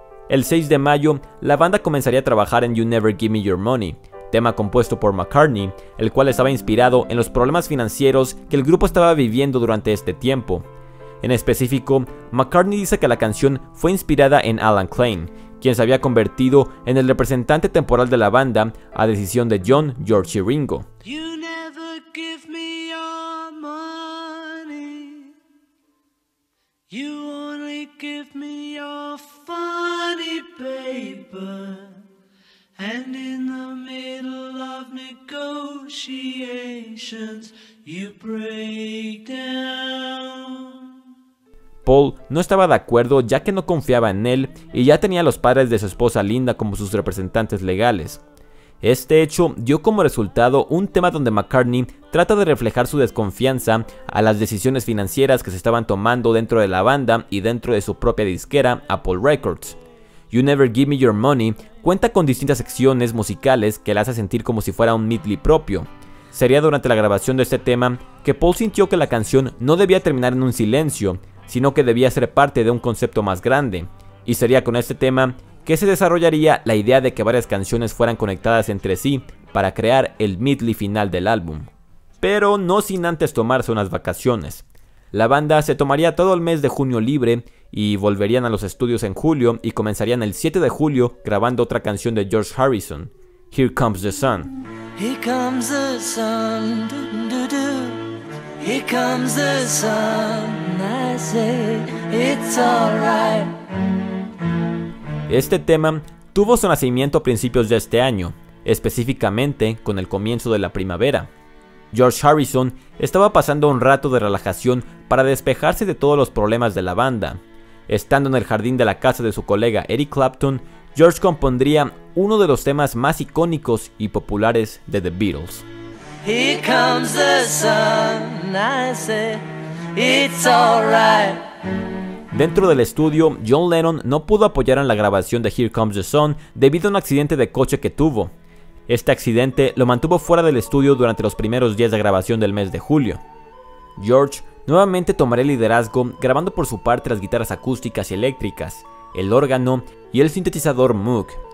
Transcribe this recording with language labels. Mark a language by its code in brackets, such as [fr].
[es] El 6 de mayo, la banda comenzaría a trabajar en You Never Give Me Your Money, tema compuesto por McCartney, el cual estaba inspirado en los problemas financieros que el grupo estaba viviendo durante este tiempo. En específico, McCartney dice que la canción fue inspirada en Alan Klein, quien se había convertido en el representante temporal de la banda a decisión de John, George y Ringo. [en] You never give me your money. You only give me your funny paper. And in the middle of negotiations, you break down. [es] Paul no estaba de acuerdo ya que no confiaba en él y ya tenía a los padres de su esposa Linda como sus representantes legales. Este hecho dio como resultado un tema donde McCartney trata de reflejar su desconfianza a las decisiones financieras que se estaban tomando dentro de la banda y dentro de su propia disquera, Apple Records. You Never Give Me Your Money cuenta con distintas secciones musicales que la hace sentir como si fuera un medley propio. Sería durante la grabación de este tema que Paul sintió que la canción no debía terminar en un silencio, sino que debía ser parte de un concepto más grande, y sería con este tema que se desarrollaría la idea de que varias canciones fueran conectadas entre sí para crear el medley final del álbum. Pero no sin antes tomarse unas vacaciones. La banda se tomaría todo el mes de junio libre y volverían a los estudios en julio y comenzarían el 7 de julio grabando otra canción de George Harrison, Here Comes the Sun. [en] Here comes the sun, do, do, do. Here comes the sun, I say, it's alright. [es] Este tema tuvo su nacimiento a principios de este año, específicamente con el comienzo de la primavera. George Harrison estaba pasando un rato de relajación para despejarse de todos los problemas de la banda. Estando en el jardín de la casa de su colega Eric Clapton, George compondría uno de los temas más icónicos y populares de The Beatles. [en] Here comes the sun, I say, it's alright. [es] Dentro del estudio, John Lennon no pudo apoyar en la grabación de Here Comes the Sun debido a un accidente de coche que tuvo. Este accidente lo mantuvo fuera del estudio durante los primeros días de grabación del mes de julio. George nuevamente tomaría el liderazgo grabando por su parte las guitarras acústicas y eléctricas, el órgano y el sintetizador Moog.